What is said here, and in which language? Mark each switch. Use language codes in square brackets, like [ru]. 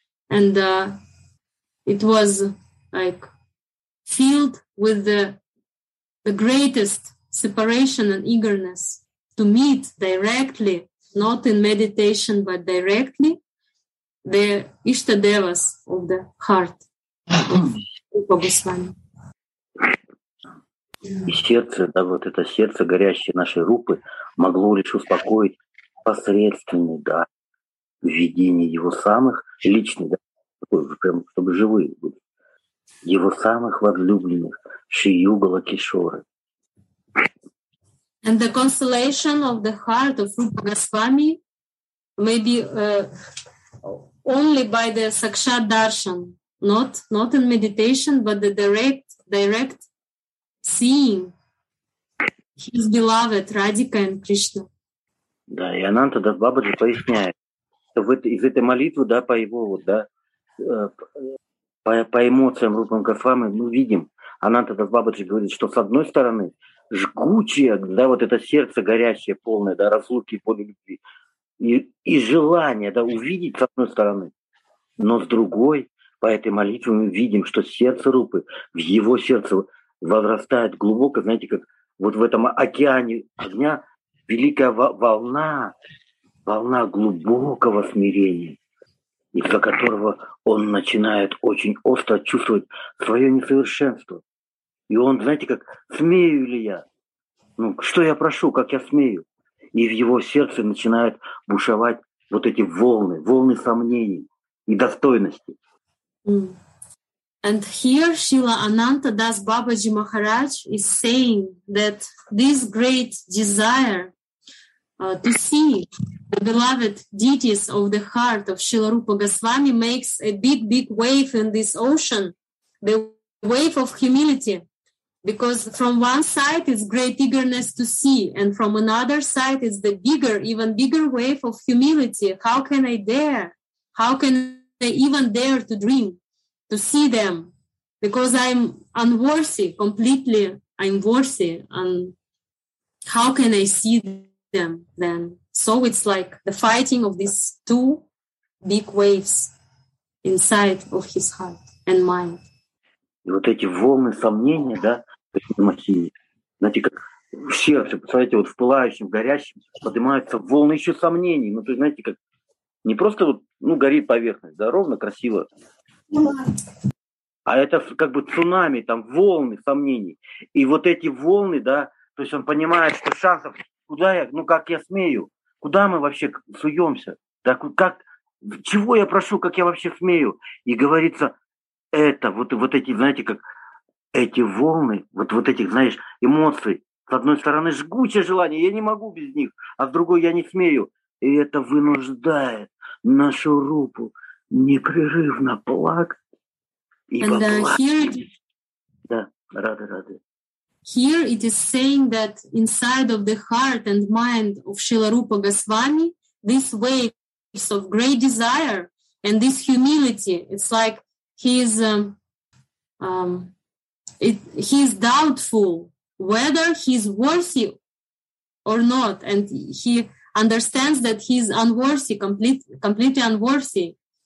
[en] And it was like filled with the greatest separation and eagerness to meet directly, not in meditation, but directly, the Ishtadevas of the heart of Rupa Goswami. [ru] И сердце, да, вот это сердце, горящее нашей Рупы, могло лишь успокоить посредственный, да, видение его самых личных, да, прям, чтобы живые были, его самых возлюбленных, Шри Югала Кишоры. And the consolation of the heart of Rupa Goswami may be only by the Sakshat Darshan, not in meditation, but the direct seeing his beloved Radhika and Krishna. Да, и Ананта Дас Бабаджи поясняет, что из этой молитвы, да, по его, вот, да, по эмоциям Рупы Гасвами мы видим, Ананта Дас Бабаджи говорит, что с одной стороны жгучее, да, вот это сердце горящее, полное, да, разлуки и боли любви, и желание, да, увидеть с одной стороны, но с другой, по этой молитве мы видим, что сердце Рупы, в его сердце возрастает глубоко, знаете, как вот в этом океане огня великая волна глубокого смирения, из-за которого он начинает очень остро чувствовать свое несовершенство. И он, знаете, как, смею ли я? Ну, что я прошу, как я смею? И в его сердце начинают бушевать вот эти волны сомнений и достойности. [en] And here Srila Ananta Das Babaji Maharaj is saying that this great desire to see the beloved deities of the heart of Srila Rupa Goswami makes a big, big wave in this ocean, the wave of humility. Because from one side is great eagerness to see, and from another side is the bigger, even bigger wave of humility. How can I dare? How can I even dare to dream, to see them? Because I'm unworthy, completely unworthy. And how can I see them then? So it's like the fighting of these two big waves inside of his heart and mind. [ru] Вот эти волны сомнения, да? Знаете, как в сердце, представляете, вот в пылающем, горящем поднимаются волны еще сомнений. Ну, то есть, знаете, как Не просто вот, ну, горит поверхность, да, ровно, красиво. А это как бы цунами, там волны сомнений. И вот эти волны, да, то есть он понимает, что шансов, куда я, ну, как я смею, куда мы вообще суемся, да, как, чего я прошу, как я вообще смею. И говорится, это, вот, вот эти, знаете, как эти волны, вот, вот этих, знаешь, эмоций, с одной стороны жгучее желание, я не могу без них, а с другой я не смею. И это вынуждает нашу рупу непрерывно плакать, ибо рады. [en] Here it is saying that inside of the heart and mind of Srila Rupa Goswami, these waves of great desire and this humility, it's like he's doubtful whether he's worthy or not, and he understands that he's unworthy, completely unworthy.